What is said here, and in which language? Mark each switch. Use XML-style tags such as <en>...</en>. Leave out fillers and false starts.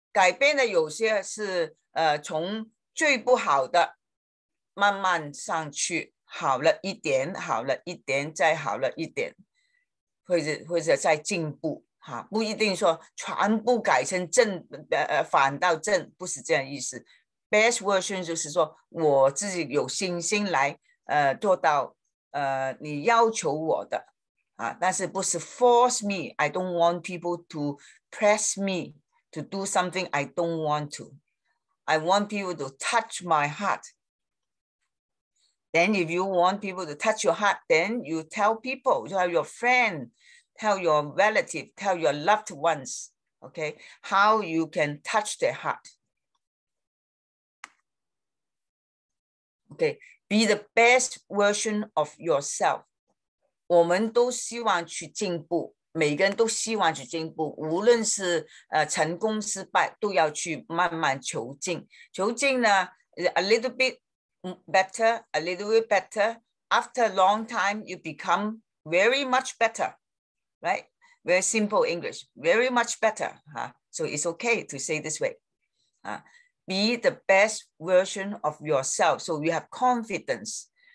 <zh>改变的有些是从最不好的慢慢上去。好了一点，好了一点，再好了一点，或者再进步，啊，不一定说全部改成正，反到正，不是这样意思。</zh> <en>Best version</en> <zh>就是说我自己有信心来做到你要求我的，啊，但是不是</zh> <en>force me， I don't want people to press me to do something I don't want to， I want people to touch my heartThen if you want people to touch your heart, then you tell people, tell your friend, tell your relative, tell your loved ones, okay, how you can touch their heart. Okay, be the best version of yourself.</en> <zh>我们都希望去进步，每个人都希望去进步，无论是成功失败，都要去慢慢求进。求进呢，</zh> <en>a little bit,better, a little bit better. After a long time, you become very much better, right? Very simple English, very much better. So it's okay to say this way. Be the best version of yourself, so you have confidence.</en>